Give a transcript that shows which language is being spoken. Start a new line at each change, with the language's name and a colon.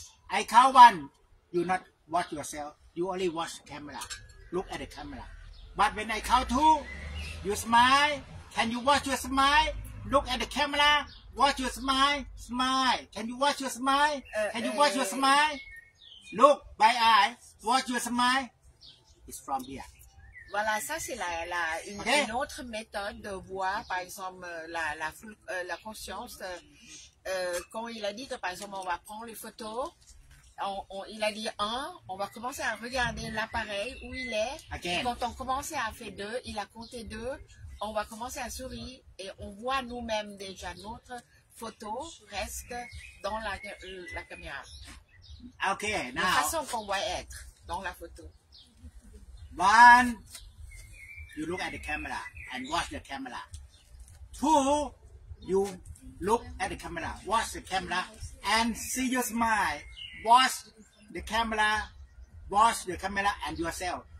English: I count one. You not watch yourself. You only watch camera. Look at the camera. But when I count two, you smile. Can you watch your smile? Look at the camera. Watch your smile. Smile. Can you watch your smile? Can you watch your smile? Look by eye. Watch your smile. It's from here.
French: Voilà, ça c'est une autre méthode de voir, par exemple, la conscience. Quand il a dit que, par exemple, on va prendre les photos, il a dit un, on va commencer à regarder l'appareil où il est.
English: Again.
French: Quand on commence à faire deux, il a compté deux, on va commencer à sourire et on voit nous-mêmes déjà notre photo reste dans la caméra.
English: Ok, now.
French: La façon qu'on va être dans la photo.
English: One, you look at the camera and watch the camera. Two, you look at the camera, watch the camera and see your smile. Watch the camera and yourself.